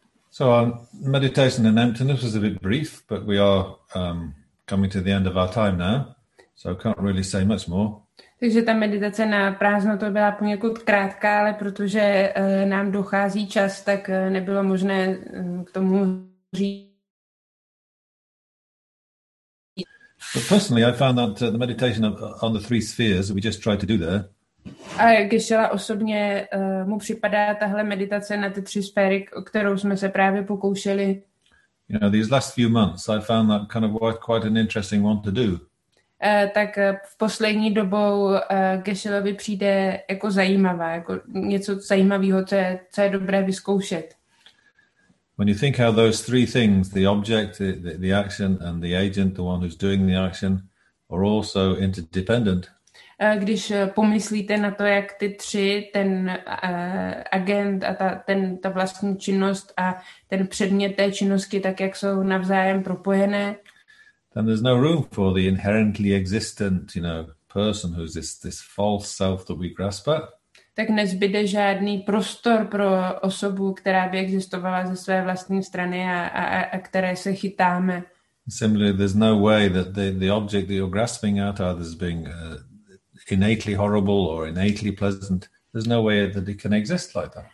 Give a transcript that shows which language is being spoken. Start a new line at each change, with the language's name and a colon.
English: So our meditation in emptiness was a bit brief, but we are coming to the end of our time now. So I can't really say much more.
Czech: Takže ta meditace na prázdnotu byla poněkud krátká, ale protože nám dochází čas, tak nebylo možné k tomu říct.
English: But personally, I found that the meditation on the three spheres that we just tried to do there.
Czech: A Geshe-la osobně mu připadá tahle meditace na ty tři sféry, kterou jsme se právě pokoušeli.
English: You know, these last few months, I found that kind of quite an interesting one to do.
Czech: Tak v poslední dobou Geshe-lovi přijde jako zajímavá, jako něco zajímavého, co je dobré vyzkoušet.
English: When you think how those three things, the object, the action and the agent, the one who's doing the action, are also interdependent.
Czech: Když pomyslíte na to, jak ty tři, ten agent a ta vlastní činnost a ten předmět té činnosti, tak jak jsou navzájem propojené,
English: then there's no room for the inherently existent, you know, person who's this false self that we grasp at.
Czech: Tak nezbyde žádný prostor pro osobu, která by existovala ze své vlastní strany a které se chytáme.
English: Similarly, there's no way that the object that you're grasping at either is being innately horrible or innately pleasant. There's no way that it can exist like that.